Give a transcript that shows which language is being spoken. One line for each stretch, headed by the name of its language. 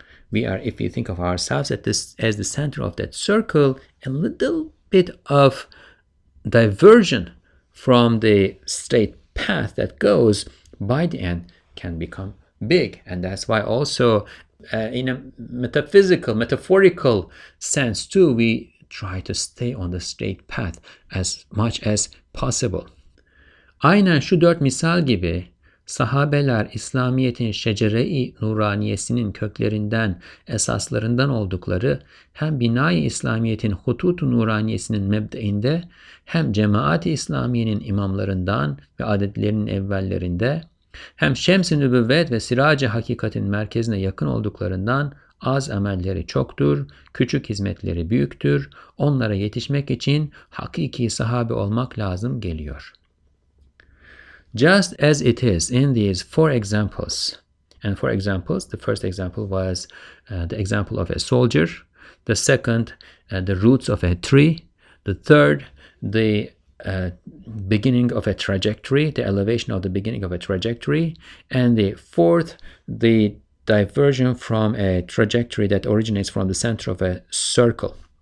English: We are, if you think of ourselves at this as the center of that circle, a little bit of diversion from the straight path that goes by the end can become big. And that's why also in a metaphorical sense too, we try to stay on the straight path as much as possible.
Turkish: Aynen şu dört misal gibi sahabeler İslamiyet'in şecere-i nuraniyesinin köklerinden, esaslarından oldukları, hem binayı İslamiyet'in hutut-u nuraniyesinin mebdeinde, hem cemaat-i İslamiyenin imamlarından ve adetlerinin evvellerinde, hem şems-i nübüvvet ve sirac-i hakikatin merkezine yakın olduklarından, az emelleri çoktur, küçük hizmetleri büyüktür, onlara yetişmek için hakiki sahabe olmak lazım geliyor.
English: Just as it is in these four examples, and four examples, the first example was the example of a soldier, the second, the roots of a tree, the third, the beginning of a trajectory, the elevation of the beginning of a trajectory, and the fourth, the diversion from a trajectory that originates from the center of a circle.